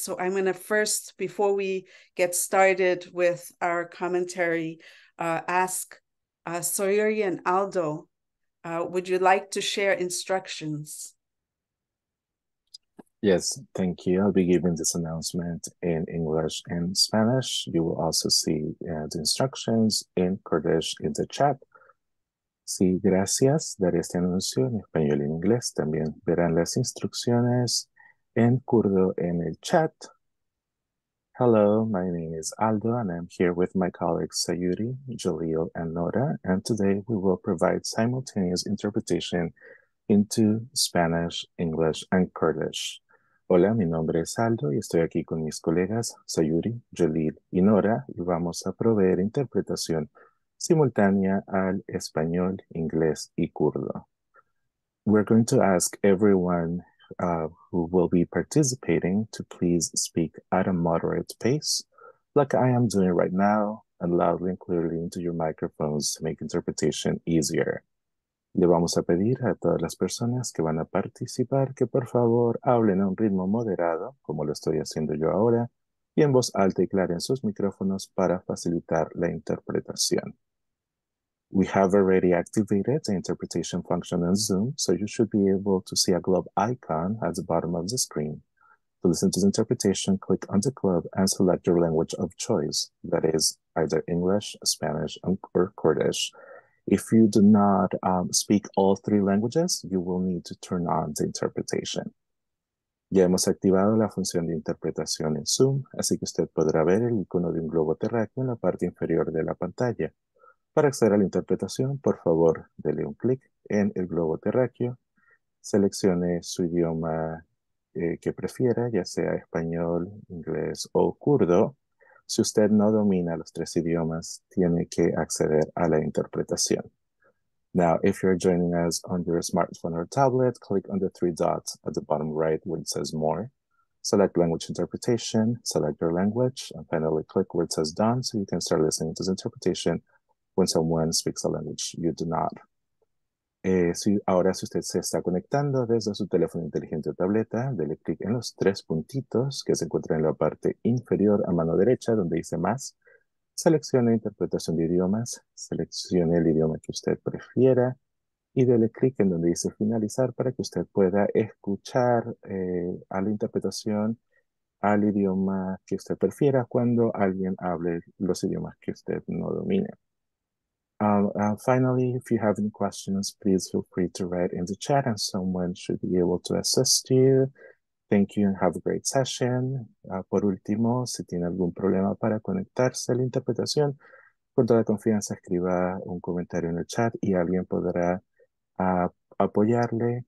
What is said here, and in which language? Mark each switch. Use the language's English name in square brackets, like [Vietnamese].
[English] So I'm going to first, before we get started with our commentary, ask Soyuri and Aldo Would you like to share instructions? Yes, thank you. I'll be giving this announcement in English and Spanish. You will also see the instructions in Kurdish in the chat. [Spanish] Sí, gracias. Daré este anuncio en español y en inglés. También verán las instrucciones en kurdo en el chat. [English] Hello, my name is Aldo, and I'm here with my colleagues Sayuri, Jaleel, and Nora. And today we will provide simultaneous interpretation into Spanish, English, and Kurdish. [Spanish] Hola, mi nombre es Aldo y estoy aquí con mis colegas Sayuri, Jaleel y Nora y vamos a proveer interpretación simultánea al español, inglés y kurdo. [English] We're going to ask everyone who will be participating to please speak at a moderate pace, like I am doing right now, and loudly and clearly into your microphones to make interpretation easier. [Spanish] Le vamos a pedir a todas las personas que van a participar que por favor hablen a un ritmo moderado, como lo estoy haciendo yo ahora, y en voz alta y clara en sus micrófonos para facilitar la interpretación. [English] We have already activated the interpretation function on Zoom, so you should be able to see a globe icon at the bottom of the screen. To listen to the interpretation, click on the globe and select your language of choice, that is either English, Spanish, or Kurdish. If you do not speak all three languages, you will need to turn on the interpretation. [Spanish] Ya hemos activado la función de interpretación en Zoom, así que usted podrá ver el icono de un globo terráqueo en la parte inferior de la pantalla. Para acceder a la interpretación, por favor, dele un clic en el globo terráqueo, seleccione su idioma que prefiera, ya sea español, inglés o kurdo. Si usted no domina los tres idiomas, tiene que acceder a la interpretación. [English] Now, if you're joining us on your smartphone or tablet, click on the three dots at the bottom right where it says More. Select Language Interpretation, select your language, and finally click where it says Done so you can start listening to the interpretation when someone speaks a language you do not. [Spanish] Si usted se está conectando desde su teléfono inteligente o tableta, dele clic en los tres puntitos que se encuentran en la parte inferior a mano derecha donde dice más. Seleccione interpretación de idiomas, seleccione el idioma que usted prefiera y dele clic en donde dice finalizar para que usted pueda escuchar a la interpretación al idioma que usted prefiera cuando alguien hable los idiomas que usted no domine. [English] Finally, if you have any questions, please feel free to write in the chat and someone should be able to assist you. Thank you and have a great session. [Spanish] Por último, si tiene algún problema para conectarse a la interpretación, con toda confianza escriba un comentario en el chat y alguien podrá apoyarle.